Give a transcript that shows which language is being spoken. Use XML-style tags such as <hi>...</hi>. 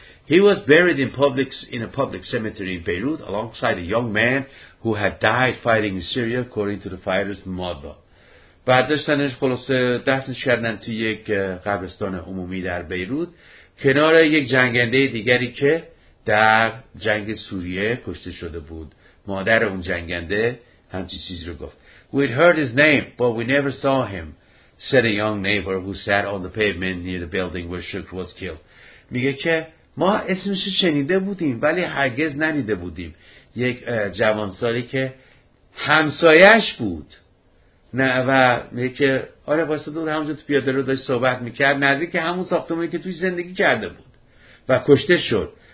<en>He was buried in a public cemetery in Beirut alongside a young man who had died fighting in Syria, according to the fighter's mother.</en> <fa>بعدشتنش خلاصه دفنش کردن تو یک قبرستان عمومی در بیروت کنار یک جنگنده دیگری که در جنگ سوریه کشته شده بود. مادر اون جنگنده همچی چیز رو گفت.</fa> <en>We'd heard his name, but we never saw him, said a young neighbor who sat on the pavement near the building where Shukr was killed.</en> <fa>میگه که ما اسمش رو شنیده بودیم ولی هرگز ندیده بودیم. یک جوانسالی که همسایش بود. نه و میگه که آره واسه دور همونجا تو پیاده رو داشت صحبت میکرد نزدیک که همون ساختمانی که توی زندگی کرده بود و کشته شد.</fa>